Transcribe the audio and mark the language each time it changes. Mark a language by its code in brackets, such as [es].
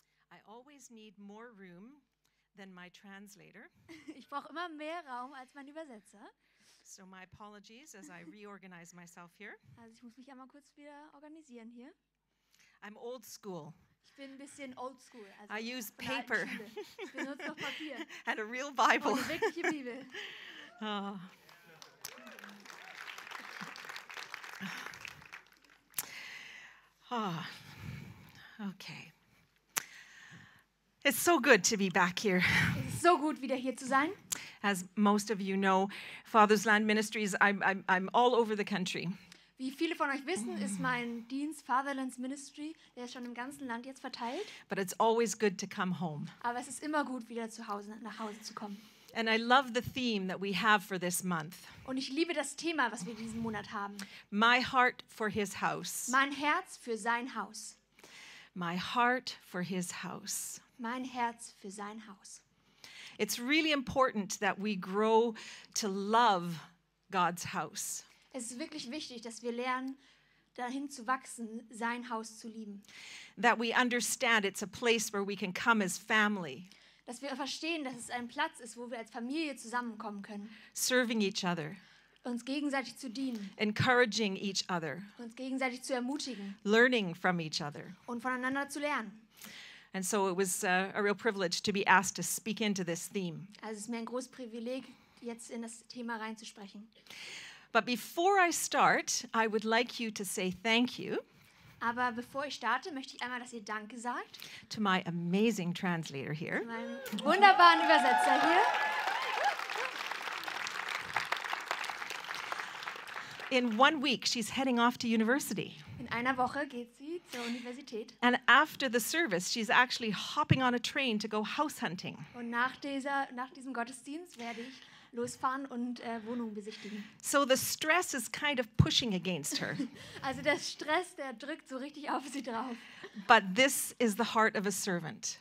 [en] I always need more room than my translator. [de] Ich brauche immer mehr Raum als mein Übersetzer. [en] So my apologies as I reorganize myself here. [de] Also ich muss mich einmal kurz wieder organisieren hier. [en] I'm old school. [de] Ich bin ein bisschen old school. [en] Also I use paper. [de] Ich benutze noch Papier. [en] And a real Bible. [de] Und eine wirkliche Bibel. Oh. [en] Oh. Okay. It's so good to be back here. [de] Es ist so gut, wieder hier zu sein. [en] As most of you know, Father's Land Ministries, I'm all over the country. [de] Wie viele von euch wissen, ist mein Dienst Fatherlands Ministry, der ist schon im ganzen Land jetzt verteilt. [en] But it's always good to come home. [de] Aber es ist immer gut, wieder zu Hause, nach Hause zu kommen. [en] And I love the theme that we have for this month. [de] Und ich liebe das Thema, was wir diesen Monat haben. [en] My heart for his house. [de] Mein Herz für sein Haus. [en] My heart for his house. [de] Mein Herz für sein Haus. [en] It's really important that we grow to love God's house. [de] Es ist wirklich wichtig, dass wir lernen, dahin zu wachsen, sein Haus zu lieben. [en] That we understand it's a place where we can come as family. [de] Dass wir verstehen, dass es ein Platz ist, wo wir als Familie zusammenkommen können. [en] Serving each other. [de] Uns gegenseitig zu dienen. [en] Encouraging each other. [de] Uns gegenseitig zu ermutigen. [en] Learning from each other. [de] Und voneinander zu lernen. [en] And so it was a real privilege to be asked to speak into this theme. [de] Also es ist mir ein großes Privileg, jetzt in das Thema reinzusprechen. [en] But before I start, I would like you to say thank you. [de] Aber bevor ich starte, möchte ich einmal, dass ihr Danke sagt. [en] To my amazing translator here. [de] Zu meinem wunderbaren Übersetzer hier. [en] In 1 week, she's heading off to university. [de] In einer Woche geht sie zur Universität. [en] And after the service, she's actually hopping on a train to go house hunting. [de] Und nach diesem Gottesdienst werde ich losfahren und Wohnungen besichtigen. [en] So the stress is kind of pushing against her. [de] Also der Stress, der drückt so richtig auf sie drauf. [en] But this is the heart of a servant.